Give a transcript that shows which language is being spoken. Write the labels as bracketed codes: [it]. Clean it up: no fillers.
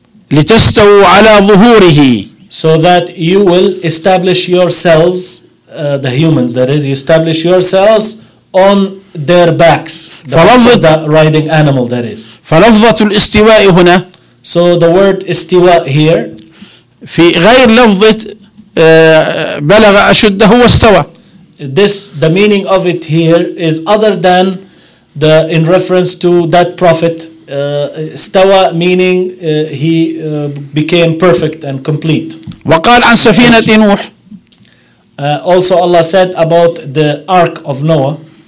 [ar] لتستووا على ظهوره [en] so that you will establish yourselves the humans that is you establish yourselves on their backs the riding animal that is [ar] فلفظة الاستواء هنا [en] so the word استواء here [ar] في غير لفظة بلغ أشده واستوى. [en] This the meaning of it here is other than the in reference to that prophet. استوى meaning he became perfect and complete. [ar] وقال عن سفينة نوح. [en] Also Allah said about the ark of Noah.